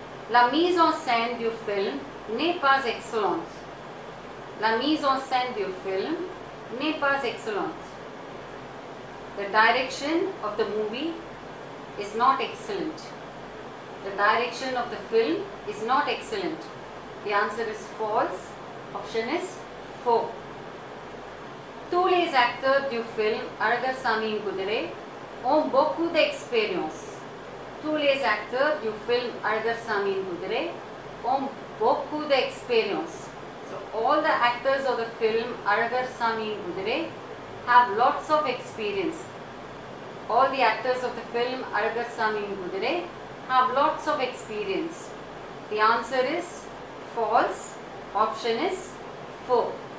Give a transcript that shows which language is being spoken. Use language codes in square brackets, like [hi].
[fr] La mise en scène du film n'est pas excellente. La mise en scène du film n'est pas excellente. [en] The direction of the movie is not excellent. The direction of the film is not excellent. The answer is false. Option is 4. [fr] Tous les acteurs du film Aragar Samiin Gudre ont beaucoup d'expérience. Tous les acteurs du film Aragar Samiin Gudre ont beaucoup d'expérience. [en] So all the actors of the film Aragar Samiin Gudre have lots of experience. All the actors of the film Aragar Samiin Gudre have lots of experience. The answer is false. Option is 4.